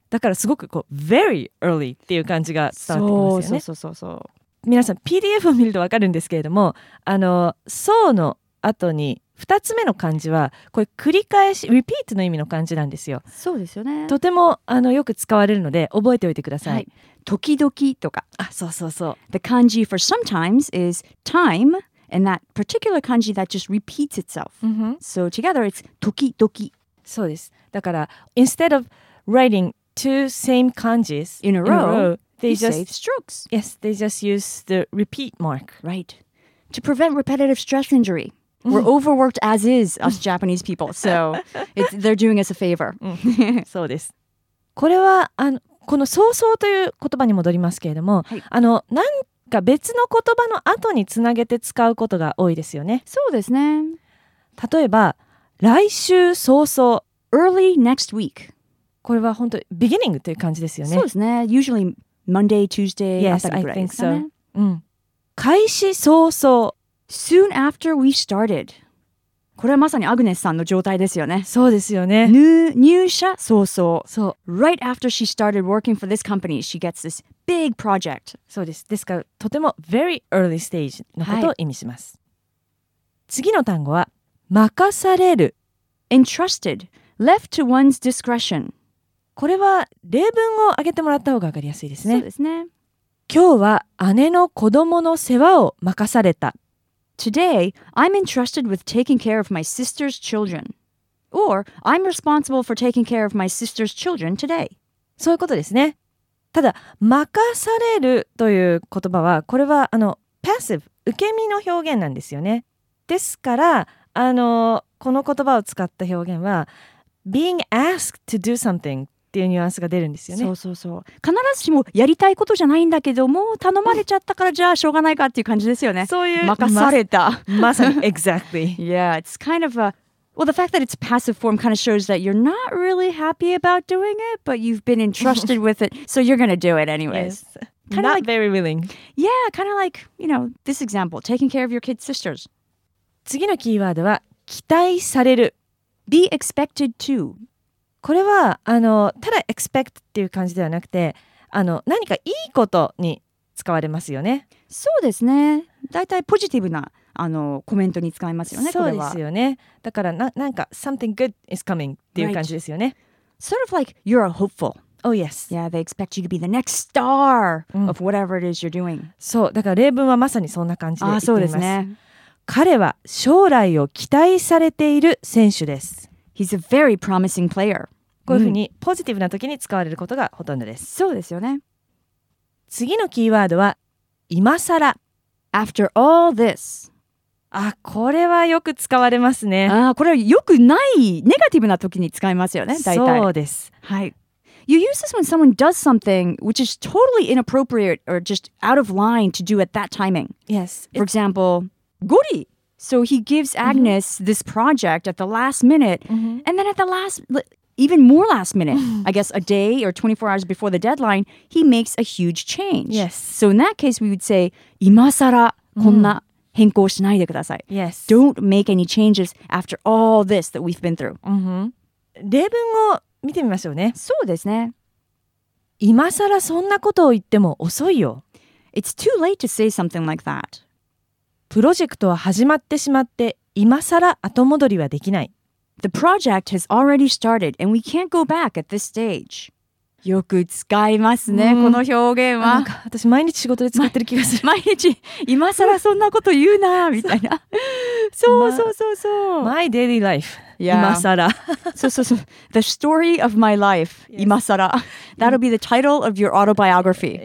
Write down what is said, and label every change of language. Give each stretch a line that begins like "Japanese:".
Japanese: だからすごくこう
English: very early
Japanese: っていう感じが伝わってきますよね。そう。皆さん PDF を見るとわかるんですけれども、あの早の後に2つ目の漢字はこれ繰り返し repeat の意味の漢字なんですよ。そうですよね。とてもあのよく使われるので覚えておいてください。はい、時々とか。あ、そうそうそう。
English: The kanji for sometimes is time and that particular kanji that just repeats itself. So together it's 時々。
Japanese: そうです。だから
English: instead of writing two same kanjis in a row, they just save strokes. Yes, they just use the repeat mark. Right. To prevent repetitive stress injuryWe're overworked as is, us Japanese people. So, they're doing us a favor.
Japanese: そうです。これは、あの、この早々という言葉に戻りますけれども、はい、あの、なんか別の言葉の後につなげて使うことが多いですよね。そうですね。例えば、来週早々。
English: Early next week.
Japanese: これは本当に beginning という感じですよね。そうですね。
English: Usually Monday, Tuesday, yes,
Japanese: あたりぐらいですかね。
English: Yes, I think so.
Japanese: うん。開始早々。
English: Soon after we started.
Japanese: これはまさにアグネスさんの状態ですよね。そうですよね。入社早々。そう。
English: Right after she started working for this company, she gets this big project.
Japanese: そうです。ですから、とても
English: very early stage
Japanese: のことを意味します。はい、次の単語は、任される。
English: Entrusted. Left to one's discretion.
Japanese: これは例文を挙げてもらった方がわかりやすいですね。そうですね。今日は姉の子供の世話を任された。
English: Today, I'm entrusted with taking care of my sister's children. Or, I'm responsible for taking care of my sister's children today.
Japanese: そういうことですね。ただ、任されるという言葉は、これはあの passive、受け身の表現なんですよね。ですから、あのこの言葉を使った表現は、
English: being asked to do something
Japanese: っていうニュアンスが出るんですよね。そうそうそう。必ずしもやりたいことじゃないんだけども頼まれちゃったからじゃあしょうがないかっていう感じですよね。そういう任された。まさに exactly.
English: Yeah, it's kind of a well, the fact that it's passive form kind of shows that you're not really happy about doing it, but you've been entrusted with it, so you're gonna do it anyways. Yes. Kind of like very willing. Yeah, kind of like you know this example, taking care of your kids' sisters.
Japanese: 次のキーワードは期待される。
English: Be expected to.
Japanese: これはあのただ expect っていう感じではなくてあの何かいいことに使われますよね。そうですね。だいたいポジティブなあのコメントに使いますよね。そうですよね。だからなんか
English: something good is coming
Japanese: っていう感じですよね。
English: Right. Sort of like you're a hopeful. Oh, yes. Yeah, they expect you to be the next star of whatever it is you're doing.
Japanese: そう、だから例文はまさにそんな感じで言っています。あ、そうですね。彼は将来を期待されている選手です。
English: He's a very promising player.
Japanese: こういうふうにポジティブな時に使われることがほとんどです。そうですよね。次のキーワードは今更。
English: After all this.
Japanese: あ、これはよく使われますね。あ、これはよくないネガティブな時に使いますよね、大体。そうです。はい。
English: You use this when someone does something which is totally inappropriate or just out of line to do at that timing. Yes. For example, Gori. So he gives Agnes this project at the last minute. And then at the last, even more last minute, I guess a day or 24 hours before the deadline, he makes a huge change. Yes. So in that case, we would say,
Japanese: 今更こんな変更しないでください。
English: Yes. Don't make any changes after all this that we've been through.
Japanese: Mm-hmm. 例文を見てみましょうね。そうですね。今更そんなことを言っても遅いよ。
English: It's too late to say something like that.
Japanese: プロジェクトは始まってしまって、今更後戻りはできない。
English: The project has already started and we can't go back at this stage.
Japanese: よく使いますね、この表現は。なんか私毎日仕事で使ってる気がする。毎日、今更そんなこと言うな、みたいな。そうそうそうそう。
English: My daily life. Yeah.
Japanese: 今更。そうそうそう。
English: The story of my life.
Japanese: 今更。
English: That'll be the title of your autobiography.